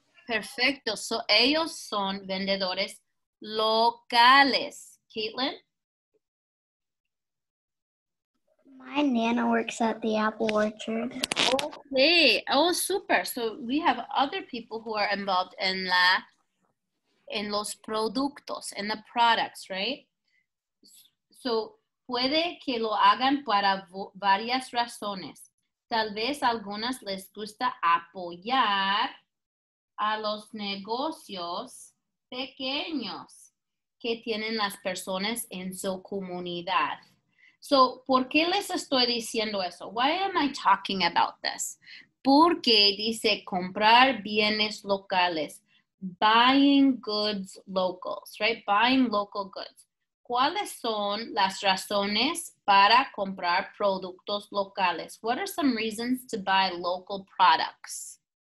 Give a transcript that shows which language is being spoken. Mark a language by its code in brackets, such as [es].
[es] Perfecto. So ellos son vendedores locales. Caitlin? [en] My Nana works at the apple orchard. Okay. Oh, super. So we have other people who are involved in la, in [es] los productos, [en] in the products, right? [es] So, puede que lo hagan para varias razones. Tal vez algunas les gusta apoyar a los negocios pequeños que tienen las personas en su comunidad. So, ¿por qué les estoy diciendo eso? [en] Why am I talking about this? [es] Porque dice comprar bienes locales, [en] buying goods locals, right? Buying local goods. [es] ¿Cuáles son las razones para comprar productos locales? [en] What are some reasons to buy local products?